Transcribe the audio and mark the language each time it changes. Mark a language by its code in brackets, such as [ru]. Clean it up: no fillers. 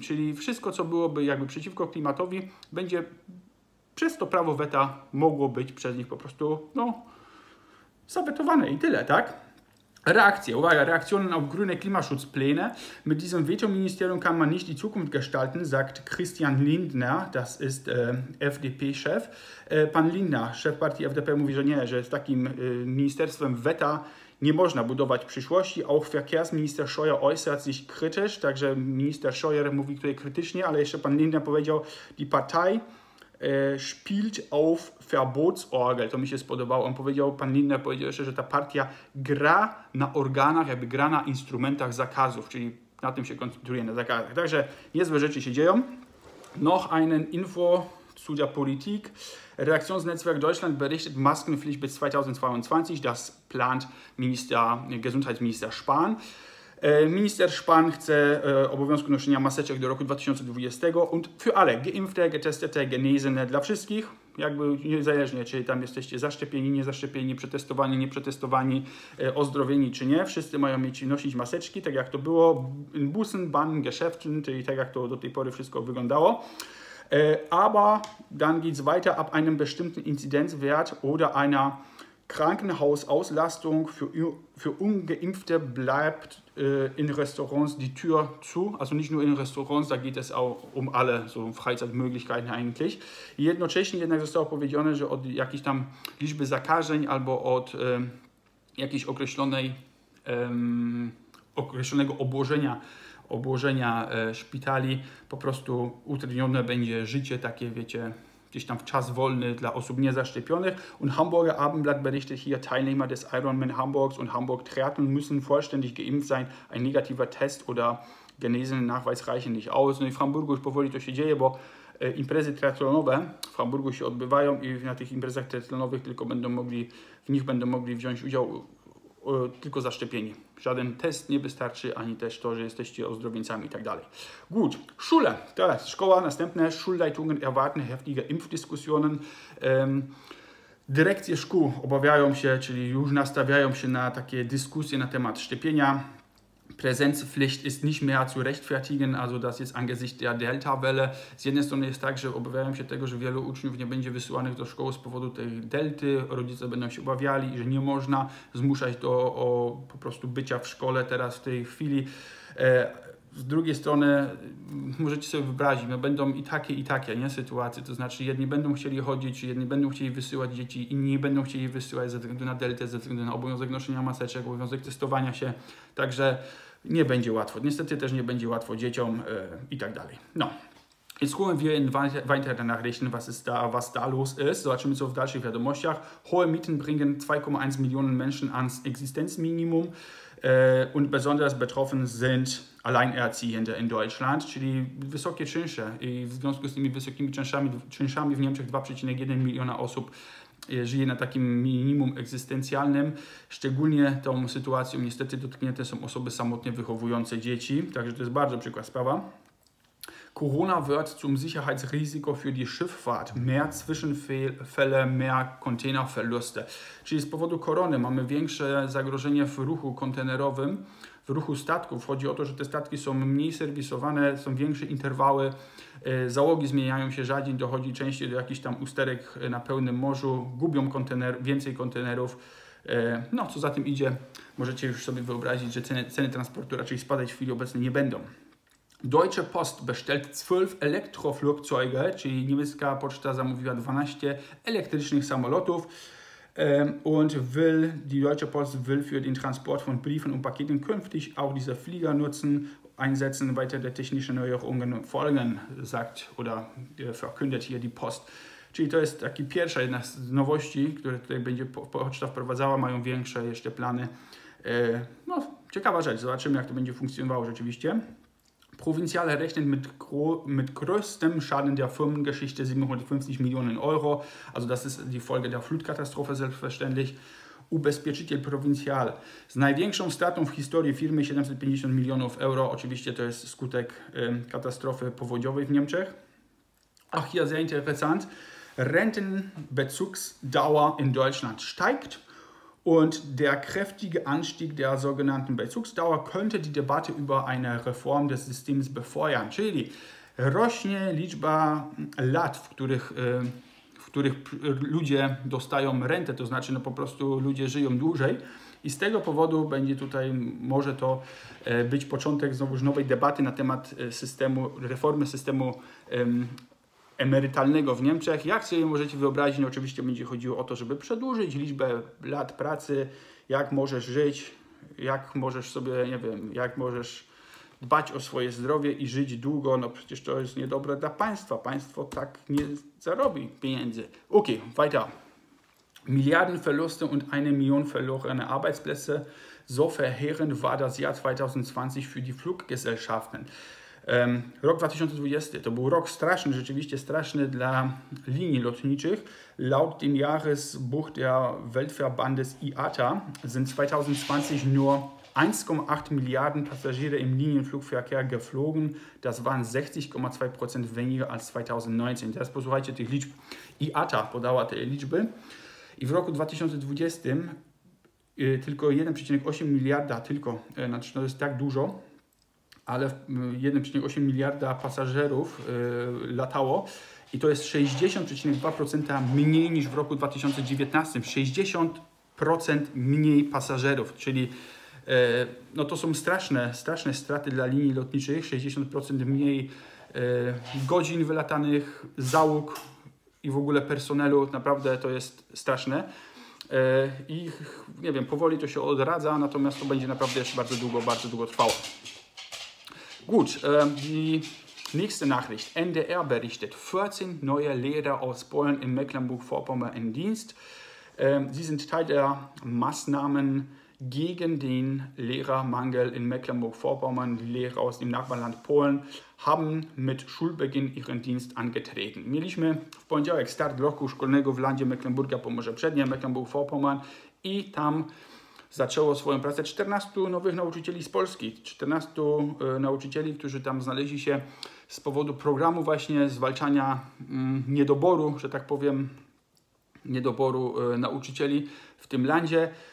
[pl] Czyli wszystko, co byłoby jakby przeciwko klimatowi, będzie przez to prawo weta mogło być przez nich po prostu zawetowane. I tyle, tak? Reakcje, uwaga, [de] Reaktionen auf grüne Klimaschutzpläne. Mit diesem Veto-Ministerium kann man nicht die Zukunft gestalten, sagt Christian Lindner, das ist FDP-Chef. [pl] Pan Lindner, szef partii FDP, mówi, że nie, że z takim ministerstwem weta nie można budować przyszłości. [de] Auch Verkehrsminister Scheuer äußert sich kritisch, [pl] także minister Scheuer mówi tutaj krytycznie, ale jeszcze pan Lindner powiedział, [de] die Partei spielt auf Verbotsorgel. [pl] To mi się spodobało. On powiedział, pan Lindner powiedział jeszcze, że ta partia gra na organach, jakby gra na instrumentach zakazów, czyli na tym się koncentruje, na zakazach. Także niezłe rzeczy się dzieją. [de] Noch einen Info zu der Politik. Reaktionsnetzwerk Deutschland berichtet Maskenpflicht bis 2022. Das plant Gesundheitsminister Spahn. [pl] Minister Spahn chce obowiązku noszenia maseczek do roku 2020 [de] und für alle geimpfte, getestete, genesene [pl] dla wszystkich, jakby niezależnie, czy tam jesteście zaszczepieni, niezaszczepieni, przetestowani, nieprzetestowani, ozdrowieni czy nie, wszyscy mają mieć nosić maseczki, tak jak to było [de] in Bussen, Bahn, Geschäften, [pl] czyli tak jak to do tej pory wszystko wyglądało. [de] Aber dann geht's weiter ab einem bestimmten Inzidenzwert oder einer Krankenhausauslastung für Ungeimpfte bleibt in Restaurants die Tür zu. Also nicht nur in Restaurants, da geht es auch um alle so Freizeitmöglichkeiten eigentlich. [pl] Jednocześnie jednak zostało powiedziane, że od jakiejś tam liczby zakażeń albo od jakiejś określonego obłożenia szpitali po prostu utrudnione będzie życie takie, wiecie, gdzieś tam w czas wolny dla osób niezaszczepionych. [de] Und Hamburger Abendblatt berichtet hier, Teilnehmer des Ironman Hamburgs und Hamburg Triathlon müssen vollständig geimpft sein. Ein negativer Test oder genesener Nachweis reichen nicht aus. [pl] No i w Hamburgu już powoli to się dzieje, bo imprezy triathlonowe w Hamburgu się odbywają i na tych imprezach triathlonowych tylko będą mogli, w nich będą mogli wziąć udział tylko zaszczepieni. Żaden test nie wystarczy, ani też to, że jesteście ozdrowieńcami i tak dalej. [de] Gut, Schule, [pl] teraz szkoła, następne. [de] Schulleitungen erwarten heftige Impfdiskussionen. [pl] Dyrekcje szkół obawiają się, czyli już nastawiają się na takie dyskusje na temat szczepienia. [de] Präsenzpflicht ist nicht mehr zu rechtfertigen, also das jetzt angesichts der Delta-Welle. [pl] Z jednej strony jest tak, że obawiają się tego, że wielu uczniów nie będzie wysyłanych do szkoły z powodu tej delty. Rodzice będą się obawiali, że nie można zmuszać do po prostu bycia w szkole teraz w tej chwili. Z drugiej strony, możecie sobie wyobrazić, będą i takie nie, sytuacje, to znaczy jedni będą chcieli chodzić, jedni będą chcieli wysyłać dzieci, inni będą chcieli wysyłać ze względu na deltę, ze względu na obowiązek noszenia maseczek, obowiązek testowania się, także nie będzie łatwo. Niestety też nie będzie łatwo dzieciom i tak dalej. No. [de] Jetzt gucken wir in weiter Nachrichten, was da los ist. [pl] Zobaczymy, co w dalszych wiadomościach. [de] Hohe Mieten bringen 2,1 Millionen Menschen ans Existenzminimum. Und besonders betroffen sind Alleinerziehende in Deutschland, [pl] czyli wysokie czynsze i w związku z tymi wysokimi czynszami w Niemczech 2,1 miliona osób żyje na takim minimum egzystencjalnym. Szczególnie tą sytuacją niestety dotknięte są osoby samotnie wychowujące dzieci, także to jest bardzo przykra sprawa. [de] Corona wird zum Sicherheitsrisiko für die Schifffahrt. Mehr Zwischenfälle, mehr Containerverluste. [pl] Czyli z powodu korony mamy większe zagrożenie w ruchu kontenerowym, w ruchu statków. Chodzi o to, że te statki są mniej serwisowane, są większe interwały, załogi zmieniają się rzadziej, dochodzi częściej do jakichś tam usterek na pełnym morzu, gubią więcej kontenerów. No, co za tym idzie, możecie już sobie wyobrazić, że ceny transportu raczej spadać w chwili obecnej nie będą. [de] Deutsche Post bestellt 12 Elektroflugzeuge, [pl] czyli niemiecka poczta zamówiła 12 elektrycznych samolotów. [de] Und will, die Deutsche Post will für den Transport von Briefen und Paketen künftig auch diese Flieger nutzen, einsetzen, weiter der technischen Neuerungen folgen, sagt oder verkündet hier die Post. [pl] Czyli to jest taki pierwsza jedna z nowości, które tutaj będzie poczta wprowadzała, mają większe jeszcze plany. No, ciekawa rzecz, zobaczymy, jak to będzie funkcjonowało rzeczywiście. [de] Provinziale rechnen mit größtem Schaden der Firmengeschichte, 750 Millionen Euro. Also das ist die Folge der Flutkatastrophe selbstverständlich. [pl] Ubezpieczyciel Provincial z największą stratą w historii firmy, 750 milionów euro. Oczywiście to jest skutek katastrofy powodziowej w Niemczech. [de] Ach, hier sehr interessant. Rentenbezugsdauer in Deutschland steigt. Und der kräftige Anstieg der sogenannten Bezugsdauer könnte die Debatte über eine Reform des Systems befeuern. [pl] Czyli rośnie liczba lat, w których ludzie dostają rentę, to znaczy no po prostu ludzie żyją dłużej. I z tego powodu będzie tutaj, może to być początek znowu nowej debaty na temat systemu, reformy systemu emerytalnego w Niemczech. Jak sobie możecie wyobrazić, no oczywiście będzie chodziło o to, żeby przedłużyć liczbę lat pracy, jak możesz żyć, jak możesz sobie, nie wiem, jak możesz dbać o swoje zdrowie i żyć długo, no przecież to jest niedobre dla państwa. Państwo tak nie zarobi pieniędzy. [de] Okay, weiter. Milliardenverluste und 1 Million verlorene Arbeitsplätze. So verheerend war das Jahr 2020 für die Fluggesellschaften. Rok 2020 to był rok straszny, rzeczywiście straszny dla linii lotniczych. Laut dem Jahresbuch der Weltverbandes IATA sind 2020 nur 1,8 Milliarden Passagiere im Linienflugverkehr geflogen. Das waren 60,2% weniger als 2019. [pl] Teraz posłuchajcie tych liczb. IATA podała te liczby. I w roku 2020 tylko 1,8 miliarda, tylko, znaczy to jest tak dużo, ale 1,8 miliarda pasażerów latało i to jest 60,2% mniej niż w roku 2019. 60% mniej pasażerów, czyli no to są straszne, straszne straty dla linii lotniczych. 60% mniej godzin wylatanych, załóg i w ogóle personelu. Naprawdę to jest straszne. I nie wiem, powoli to się odradza, natomiast to będzie naprawdę jeszcze bardzo długo trwało. [de] Gut, die nächste Nachricht. NDR berichtet 14 neue Lehrer aus Polen in Mecklenburg-Vorpommern in Dienst. Sie sind Teil der Maßnahmen gegen den Lehrermangel in Mecklenburg-Vorpommern. Die Lehrer aus dem Nachbarland Polen haben mit Schulbeginn ihren Dienst angetreten. [pl] Mieliśmy w poniedziałek start roku szkolnego w landzie Mecklenburga Pomorze Przednie, Mecklenburg-Vorpommern i tam zaczęło swoją pracę 14 nowych nauczycieli z Polski. 14 nauczycieli, którzy tam znaleźli się z powodu programu właśnie zwalczania niedoboru, że tak powiem, niedoboru nauczycieli w tym landzie.